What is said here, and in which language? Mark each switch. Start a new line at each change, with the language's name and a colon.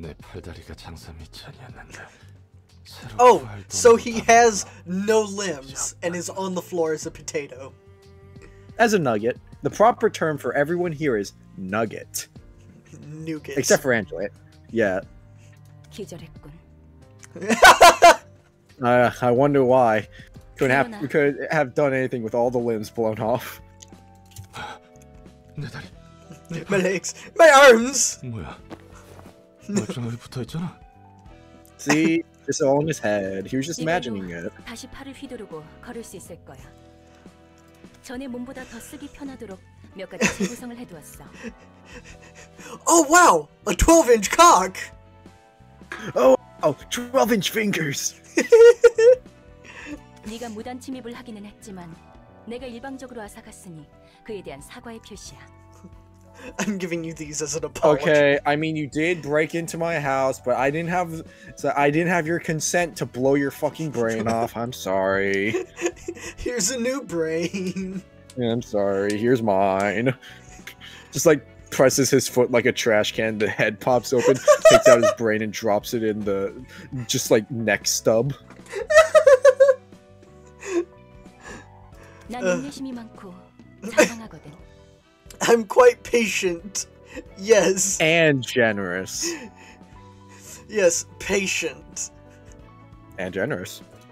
Korean: 내 팔다리가 장사 미천이었는데.
English: Oh, so he has no limbs and is on the floor as a potato. As a nugget, the proper term for everyone here is nugget. Nugget. Except for Angela. Yeah.
Korean: 기절했군.
English: I wonder why. Couldn't have done anything with all the limbs blown off. My legs. My arms!
Korean: 뭐야?
English: See? It's all in his head. He was just imagining it.
Korean: 다시 팔을 휘두르고 걸을 수 있을 거야. 전에 몸보다 더 쓰기 편하도록 몇 가지 재구성을 해두었어.
English: Oh wow! A 12-inch cock! Oh wow! 12-inch fingers!
Korean: 네가 무단 침입을 하기는 했지만 내가 일방적으로 아사갔으니 그에 대한 사과의 표시야.
English: I'm giving you these as an apology. Okay, I mean you did break into my house, but I didn't have your consent to blow your fucking brain off. I'm sorry. Here's a new brain. Yeah, I'm sorry. Here's mine. Just like presses his foot like a trash can, the head pops open, takes out his brain and drops it in the just like neck stub.
Korean: 난 인내심이 많고 사랑하거든.
English: I'm quite patient, yes. And generous. Yes, patient. And generous.